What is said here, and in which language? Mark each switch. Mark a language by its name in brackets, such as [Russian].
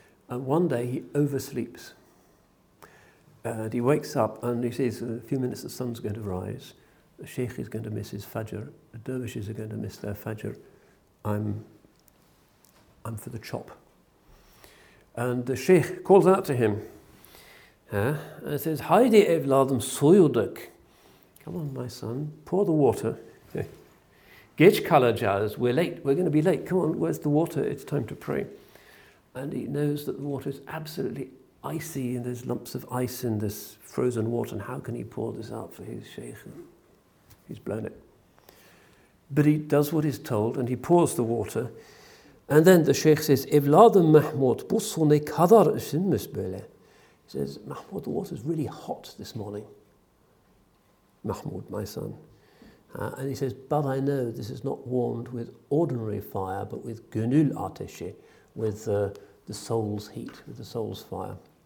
[English] And one day he oversleeps. And he wakes up and he sees in a few minutes the sun's going to rise. The sheikh is going to miss his fajr. The dervishes are going to miss their fajr. I'm for the chop. And the sheikh calls out to him. And it says, [Turkish] Haydi evladım suyuduk. [English] Come on, my son, pour the water. [Turkish] Geç kalacağız, [English] we're late, we're going to be late. Come on, where's the water? It's time to pray. And he knows that the water is absolutely icy and there's lumps of ice in this frozen water. And how can he pour this out for his sheikh? He's blown it. But he does what he's told and he pours the water. And then the sheikh says, [Turkish] evladım Mahmud, bu su ne kadar ısınmış böyle? [English] He says, Mahmud, the water's really hot this morning. Mahmud, my son. And he says, but I know this is not warmed with ordinary fire, but with gönül ateşi, with the soul's heat, with the soul's fire.